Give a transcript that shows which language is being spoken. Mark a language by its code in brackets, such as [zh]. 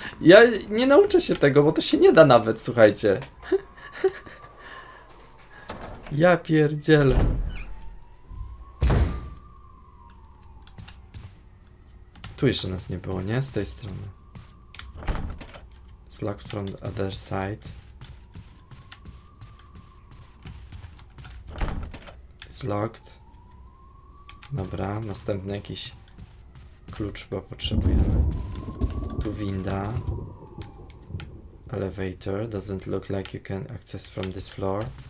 [pl] Ja nie nauczę się tego, bo to się nie da nawet, słuchajcie. Ja pierdzielę. Tu jeszcze nas nie było, nie? Z tej strony. [en] It's locked from the other side. It's locked. [pl] Dobra, następny jakiś klucz, bo potrzebujemy. Tu winda. Elevator. [en] Doesn't look like you can access from this floor.